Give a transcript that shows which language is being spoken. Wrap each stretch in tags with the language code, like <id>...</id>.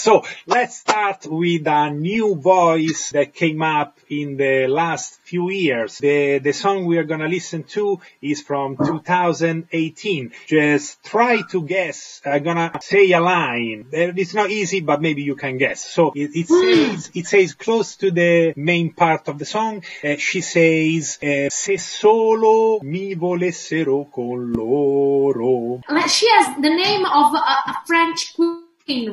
<en>So let's start with a new voice that came up in the last few years. The song we are gonna listen to is from 2018. Just try to guess. I'm gonna say a line. It's not easy, but maybe you can guess. So it says close to the main part of the song. She says,</en> <it>"Se solo mi volessero con loro."</it> <en>She has the name of a French queen.</en>